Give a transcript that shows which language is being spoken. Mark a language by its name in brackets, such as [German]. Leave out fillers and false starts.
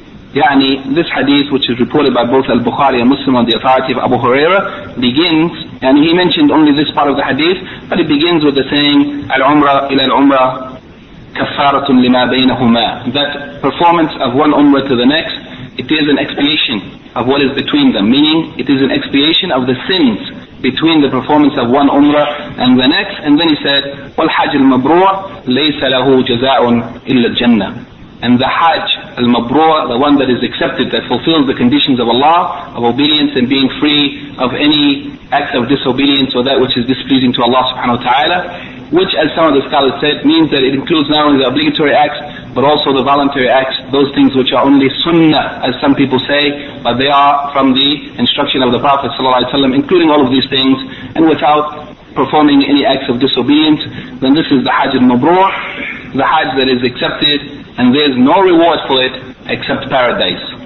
[English] Yani this hadith, which is reported by both al-Bukhari and Muslim on the authority of Abu Huraira, begins, and he mentioned only this part of the hadith, but it begins with the saying, [Arabic] al-umrah ila al-umrah kaffaratun lima baynahuma, [English] that performance of one umrah to the next, it is an expiation of what is between them, meaning it is an expiation of the sins between the performance of one umrah and the next. And then he said, [Arabic] وَالْحَجِ الْمَبْرُوَ لَيْسَ لَهُ جَزَاءٌ إِلَّا الْجَنَّةِ. [English] And the Hajj al-Mabrur, the one that is accepted, that fulfills the conditions of Allah, of obedience and being free of any act of disobedience or that which is displeasing to Allah subhanahu wa ta'ala, which, as some of the scholars said, means that it includes not only the obligatory acts, but also the voluntary acts, those things which are only sunnah, as some people say, but they are from the instruction of the Prophet ﷺ, including all of these things, and without performing any acts of disobedience, then this is the Hajj al-Mabrur, the Hajj that is accepted, and there is no reward for it except paradise.